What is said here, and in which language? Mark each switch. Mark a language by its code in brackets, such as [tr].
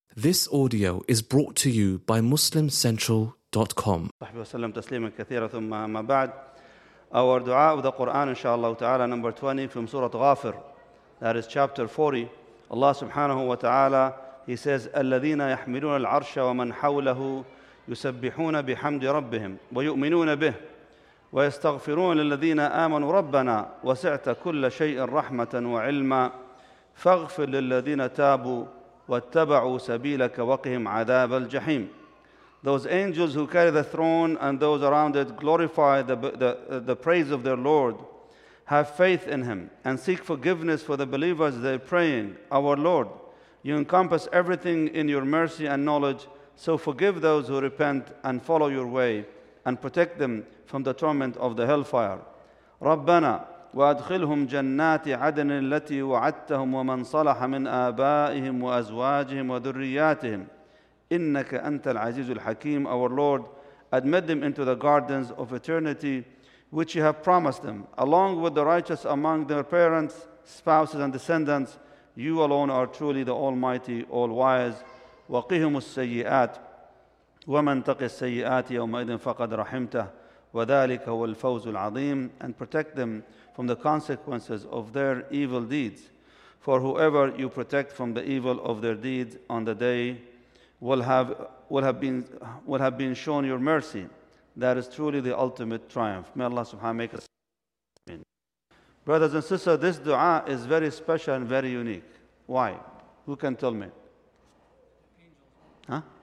[en] This audio is brought to you by MuslimCentral.com. [ar] وسلم تسليما كثيرا ثم ما بعد [en] our [ar] دعاء وذا قرآن إن شاء الله تعالى [en] number 20 from [ar] سورة غافر [en] that is chapter 40. [ar] Allah سبحانه وتعالى [en] he says [ar] الذين يحملون العرش ومن حوله يسبحون بحمد ربهم ويؤمنون به ويستغفرون للذين آمنوا ربنا وسعت كل شيء رحمة وعلما فاغفر للذين تابوا وَاتَّبَعُوا سَبِيلَكَ وَقِهِمْ عَذَابَ الْجَحِيمِ [en] Those angels who carry the throne and those around it glorify the praise of their Lord. Have faith in Him and seek forgiveness for the believers they're praying. Our Lord, You encompass everything in Your mercy and knowledge, so forgive those who repent and follow Your way and protect them from the torment of the hellfire. [ar] رَبَّنَا وَأَدْخِلْهُمْ جَنَّاتِ عَدْنٍ الَّتِي وَعَدْتَهُمْ وَمَنْ صَلَحَ مِنْ آبَائِهِمْ وَأَزْوَاجِهِمْ وَذُرِّيَّاتِهِمْ إِنَّكَ أَنْتَ الْعَزِيزُ الْحَكِيمُ [en] Our Lord, admit them into the gardens of eternity which You have promised them. Along with the righteous among their parents, spouses, and descendants, You alone are truly the Almighty, All-Wise. [ar] وَقِهِمُ السَّيِّئَاتِ وَمَنْ تَقِ السَّيِّئَاتِ يَوْمَئِذٍ فَقَدْ رَحِمْتَهُ وَذَلِكَ هُوَ الْفَوْزُ الْعَظِيمُ [en] And protect them from the consequences of their evil deeds. For whoever you protect from the evil of their deeds on the day will have been shown your mercy. That is truly the ultimate triumph. May Allah subhanahu wa ta'ala make us amen. Brothers and sisters, this dua is very special and very unique. Why? Who can tell me? Huh?